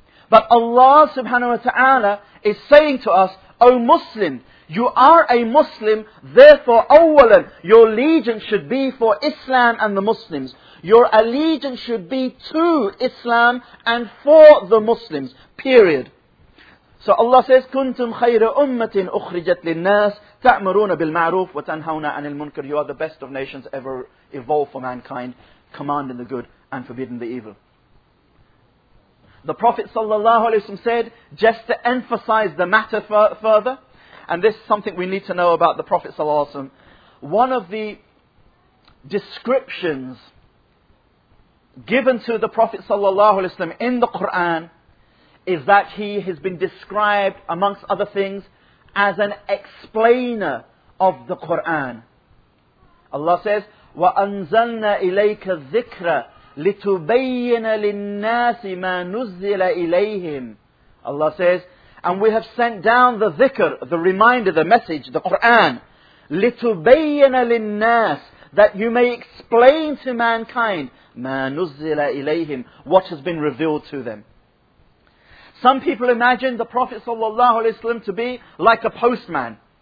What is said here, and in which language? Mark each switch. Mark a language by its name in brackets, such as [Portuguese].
[English] But Allah subhanahu wa ta'ala is saying to us, O Muslim, you are a Muslim, therefore, awwalan, your allegiance should be for Islam and the Muslims. Your allegiance should be to Islam and for the Muslims, period. So Allah says, [Arabic] كُنْتُمْ خَيْرَ أُمَّةٍ أُخْرِجَتْ لِلنَّاسِ تَأْمُرُونَ بِالْمَعْرُوفِ وَتَنْهَوْنَ عَنِ الْمُنْكَرِ. [English] You are the best of nations ever evolved for mankind, commanding the good and forbidding the evil. The Prophet sallallahu alayhi wa sallam said, just to emphasize the matter further, and this is something we need to know about the Prophet sallallahu alayhi wa sallam, one of the descriptions given to the Prophet sallallahu alayhi wa sallam in the Qur'an is that he has been described, amongst other things, as an explainer of the Qur'an. Allah says, [Arabic] وَأَنزَلْنَا إِلَيْكَ الذِّكْرَ لِتُبَيِّنَ لِلنَّاسِ مَا نُزِّلَ إِلَيْهِمْ. [English] Allah says, and we have sent down the dhikr, the reminder, the message, the Qur'an, [Arabic] لِتُبَيِّنَ لِلنَّاسِ, [English] that you may explain to mankind, [Arabic] مَا نُزِّلَ إِلَيْهِمْ, [English] what has been revealed to them. Some people imagine the Prophet sallallahu alaihi wasallam to be like a postman.